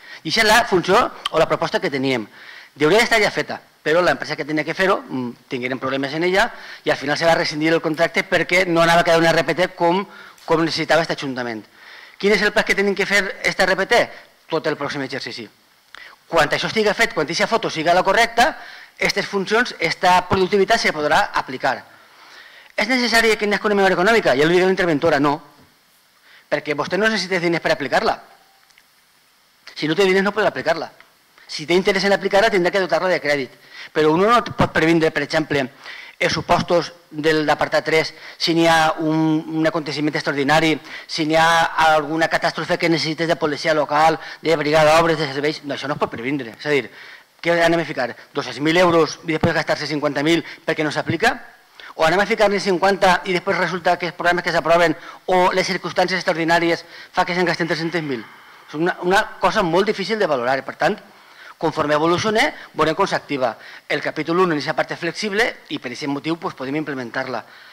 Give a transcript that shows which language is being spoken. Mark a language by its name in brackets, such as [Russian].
[Catalan] I això és la funció o la proposta que teníem. Hauria d'estar ja feta, però l'empresa que tenia que fer-ho, tinguin problemes en ella i al final se va rescindir el contracte perquè no anava a quedar un RPT com necessitava aquest ajuntament. Quin és el pas que tenim que fer aquest RPT? Tot el pròxim exercici. Quan això estigui fet, quan aquesta foto sigui la correcta, aquestes funcions, aquesta productivitat se podrà aplicar. [Spanish] ¿Es necesario que tengas una memoria económica? Ya lo diga la interventora, no. Porque usted no necesita diners para aplicarla. Si no tiene diners, no puede aplicarla. Si te interesa en aplicarla, tendrá que dotarla de crédito. Pero uno no puede prevenir, por ejemplo, los supuestos del apartado 3, si no hay un acontecimiento extraordinario, si no hay alguna catástrofe que necesites de policía local, de brigada, obras, de servicios. No, eso no puede prevenir. Es decir, ¿qué van a ficar? ¿12.000 euros y después gastarse 50.000 porque no se aplica? [Catalan] O anem a ficar-ne 50 i després resulta que els programes que s'aproven o les circumstàncies extraordinàries fa que se'n gasten 300.000. És una cosa molt difícil de valorar. Per tant, conforme evolucione, veurem com s'activa el capítol 1 en aquesta part flexible i per aquest motiu pues, podem implementar-la.